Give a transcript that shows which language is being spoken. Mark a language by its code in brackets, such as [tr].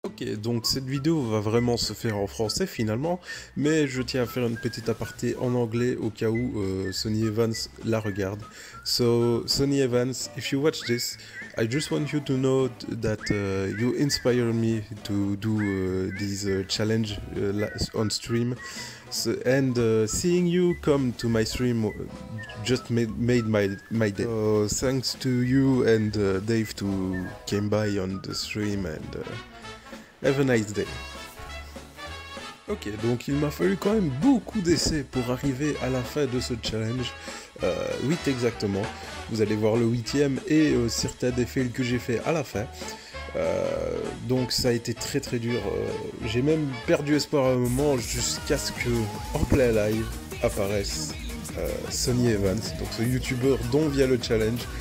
[fr] Ok, donc cette vidéo va vraiment se faire en français finalement, mais je tiens à faire une petite aparté en anglais au cas où Sonny Evans la regarde. [en] So, Sonny Evans, if you watch this, I just want you to know that you inspire me to do this challenge on stream. So, and seeing you come to my stream just made my day. So, thanks to you and Dave to came by on the stream and... Have a nice day. [fr] Ok, donc il m'a fallu quand même beaucoup d'essais pour arriver à la fin de ce challenge. 8 exactement. Vous allez voir le 8ème et certains des fails que j'ai fait à la fin. Donc ça a été très très dur. J'ai même perdu espoir à un moment jusqu'à ce que en plein live apparaisse Sonny Evans, donc ce youtubeur dont vient le challenge.